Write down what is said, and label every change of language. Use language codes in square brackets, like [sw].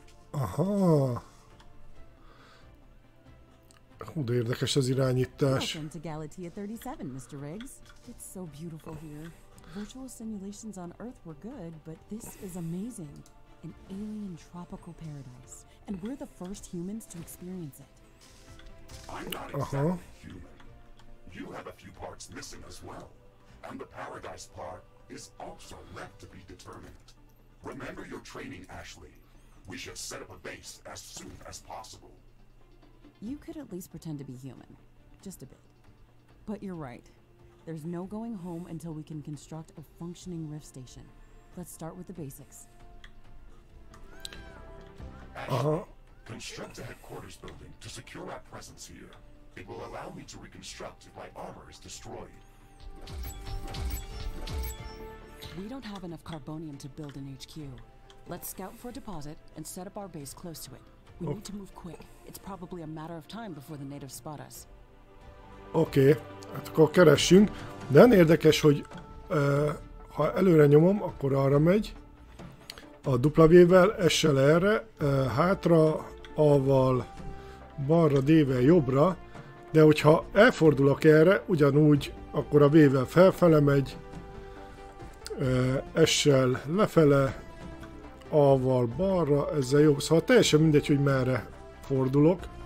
[hu] Aha. Hú, de érdekes az irányítás. [en] Welcome to Galatea 37, Mr. Riggs. It's so beautiful here. Virtual simulations on Earth were good, but this is amazing. An alien tropical paradise. And we're the first humans to experience it. I'm not exactly human. You have a few parts missing as well. And the paradise part is also left to be determined. Remember your training, Ashley. We should set up a base as soon as possible. You could at least pretend to be human. Just a bit. But you're right. There's no going home until we can construct a functioning rift station. Let's start with the basics. Construct a headquarters building to secure our presence here. It will allow me to reconstruct if my armor is destroyed. We don't have enough carbonium to build an HQ. Let's scout for a deposit and set up our base close to it. We need to move quick. It's probably a matter of time before the natives spot us. [hu] Okay, hát akkor keressünk. De nem érdekes, hogy ha előre nyomom, akkor arra megy. A W-vel, S-sel erre, hátra, A-val, balra, D-vel, jobbra, de hogyha elfordulok erre, ugyanúgy, akkor a V-vel felfele megy, S-sel lefele, A-val, balra, ezzel jobb, szóval teljesen mindegy, hogy merre fordulok.